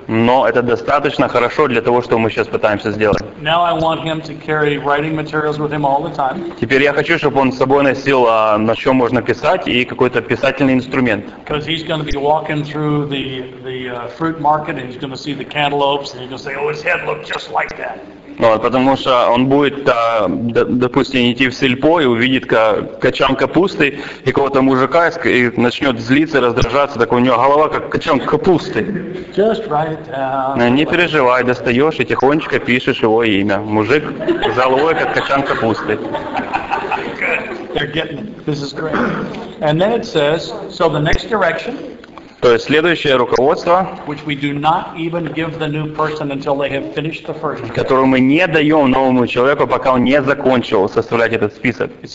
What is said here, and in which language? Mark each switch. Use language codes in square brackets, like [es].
[ru] Но это достаточно хорошо для того, что мы сейчас пытаемся сделать. [en] Now I want him to carry writing materials with him all the time. [ru] Теперь я хочу, чтобы он с собой носил, на чем можно писать, и какой-то писательный инструмент. [en] Because he's going to be walking through the fruit market, and he's going to see the cantaloupes, and he's going to say, "Oh, his head looked just like that." [ru] Ну, потому что он будет, допустим, идти в сельпо и увидит качан капусты и какого-то мужика, и начнет злиться, раздражаться, так у него голова как качан капусты. [en] Just write it down. [ru] Не переживай, достаешь и тихонечко пишешь его имя. Мужик заловой как качан капусты. [en] They're getting it. This is great. And then it says, so the next direction. [ru] То есть следующее руководство, которое мы не даем новому человеку, пока он не закончил составлять этот список.